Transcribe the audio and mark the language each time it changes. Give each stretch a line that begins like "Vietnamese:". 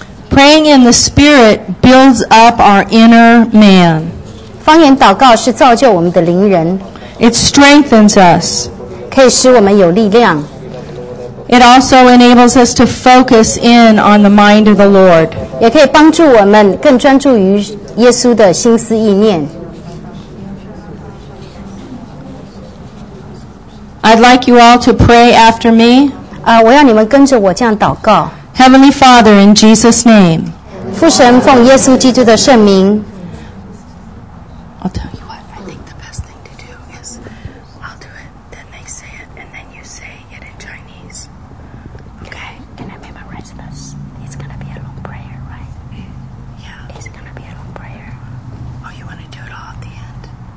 English: Praying in the Spirit builds up our inner man.
Chinese: 方言祷告是造就我们的灵人。
English: It strengthens us.
Chinese: 可以使我们有力量。
English: It also enables us to focus in on the mind of the Lord.
Chinese: 也可以帮助我们更专注于耶稣的心思意念。
English: I'd like you all to pray after me.
Chinese: 我要你们跟着我这样祷告。
English: Heavenly Father, in Jesus' name.
Chinese: 父神奉耶稣基督的圣名。
English: I'll tell you what I think the best thing to do is I'll do it, then they say it, and then you say it in Chinese. Okay? Can I memorize this? It's going to be a long prayer, right? Yeah. It's going to be a long prayer. Oh, you want to do it all at the end?